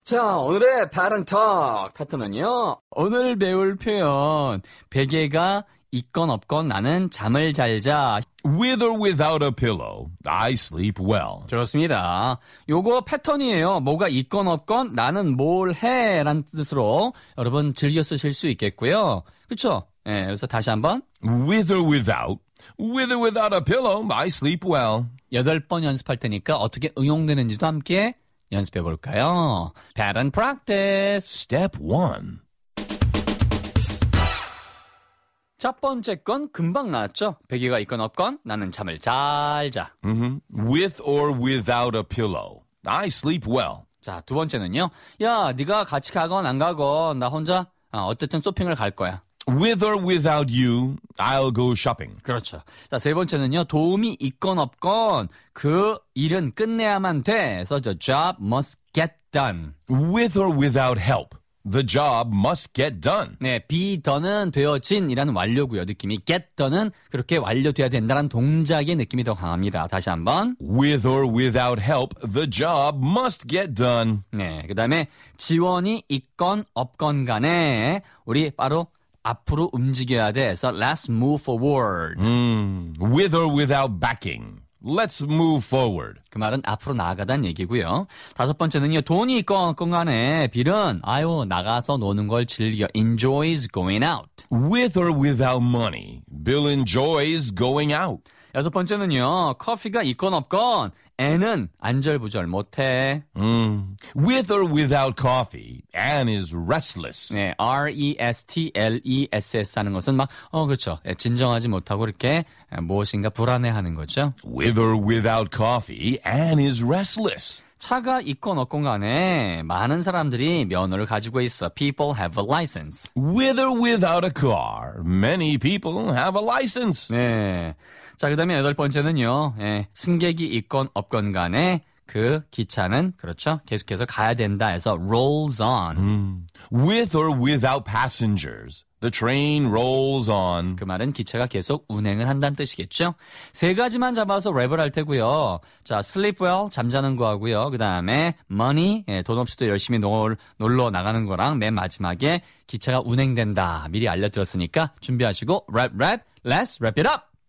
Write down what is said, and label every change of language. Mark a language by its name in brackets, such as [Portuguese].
[Korean] 자, 오늘의 Parentalk 파트너는요. 오늘 배울 표현, 베개가 있건 없건 나는 잠을 잘 자. [English] With or without a pillow, I sleep well. [Korean] 좋습니다. 요거 패턴이에요. 뭐가 있건 없건 나는 뭘 해라는 뜻으로 여러분 즐겨 쓰실 수 있겠고요. 그렇죠? 예, 그래서 다시 한번. [English] With or without a pillow, I sleep well. [Korean] 8번 연습할 테니까 어떻게 응용되는지도 함께 연습해 볼까요? [English] Pattern practice. Step 1. [Korean] 첫 번째 건 금방 나왔죠. 베개가 있건 없건 나는 잠을 잘 자. Mm-hmm. [English] With or without a pillow, I sleep well. [Korean] 자, 두 번째는요. 야, 네가 같이 가건 안 가건 나 혼자 어쨌든 쇼핑을 갈 거야. [English] With or without you, I'll go shopping. [Korean] 그렇죠. 자, 세 번째는요. 도움이 있건 없건 그 일은 끝내야만 돼. [English] So the job must get done. With or without help, the job must get done. [Korean] 네, be done은 되어진이라는 완료고요. 느낌이 get done은 그렇게 완료돼야 된다는 동작의 느낌이 더 강합니다. 다시 한번. [English] With or without help, the job must get done. [Korean] 네, 그다음에 지원이 있건 없건 간에 우리 바로 앞으로 움직여야 돼. [English] So let's move forward. With or without backing. Let's move forward. [Korean] 그 말은 앞으로 나아가다는 얘기고요. 다섯 번째는요. 돈이 있건 없건 간에 빌은 아유 나가서 노는 걸 즐겨. [English] Enjoys going out. With or without money. Bill enjoys going out. [Korean] 여섯 번째는요. 커피가 있건 없건 Anne은 안절부절 못해. [English] With or without coffee, Anne is restless. [Korean] 네, R-E-S-T-L-E-S-S 하는 것은 막, 그렇죠. 진정하지 못하고 이렇게 무엇인가 불안해하는 거죠. [English] With or without coffee, Anne is restless. [Korean] 차가 있건 없건 간에 많은 사람들이 면허를 가지고 있어. [English] People have a license. With or without a car, many people have a license. [Korean] 네. 자, 그 다음에 여덟 번째는요. 네. 승객이 있건 없건 간에 그 기차는, 그렇죠. 계속해서 가야 된다 해서 rolls on. [English] With or without passengers. The train rolls on. [Korean] 그 말은 기차가 계속 운행을 한다는 뜻이겠죠. 세 가지만 잡아서 랩을 할 테고요. 자, sleep well, 잠자는 거 하고요. 그 다음에 money, 예, 돈 없이도 열심히 놀러 나가는 거랑 맨 마지막에 기차가 운행된다. 미리 알려드렸으니까 준비하시고 랩, [English] let's wrap it up!